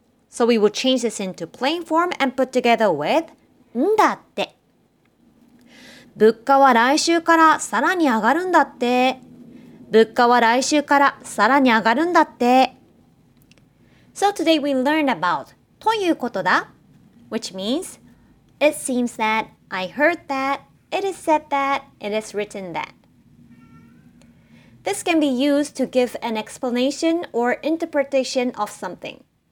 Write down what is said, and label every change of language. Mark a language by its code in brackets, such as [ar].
[en] So we will change this into plain form and put together with んだって。 [ja] 物価は来週からさらに上がるんだって。物価は来週からさらに上がるんだって。 [en] So today we learned about ということだ which means it seems that, I heard that, it is said that, it is written that. This can be used to give an explanation or interpretation of something.